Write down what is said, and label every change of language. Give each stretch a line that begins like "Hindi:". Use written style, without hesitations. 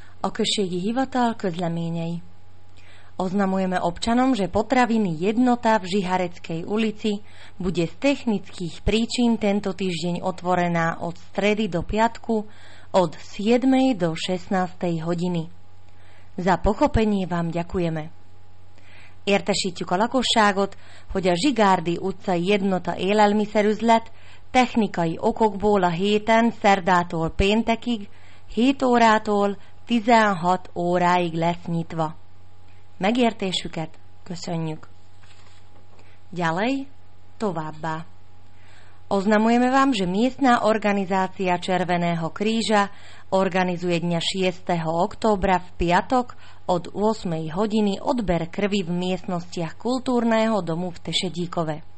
Slovak: Okršiek Hivatal, Kozľamieňaj. Oznamujeme občanom, že potraviny Jednota v Žihareckej ulici bude z technických príčin tento týždeň otvorená od stredy do piatku od 7. do 16. hodiny. Za pochopenie vám ďakujeme.
Hungarian: Értesítjük a lakosságot, hogy a Zsigárdi utca Jednota élelmiszerüzlet technikai okokból a héten szerdától péntekig 7 órától 16 óráig lesz nyitva. Megértésüket köszönjük.
Slovak: Ďalej,
Hungarian: továbbá.
Slovak: Oznamujeme vám, že miestna organizácia Červeného kríža organizuje dňa 6. októbra v piatok od 8. hodiny odber krvi v miestnostiach kultúrneho domu v Tešedíkove.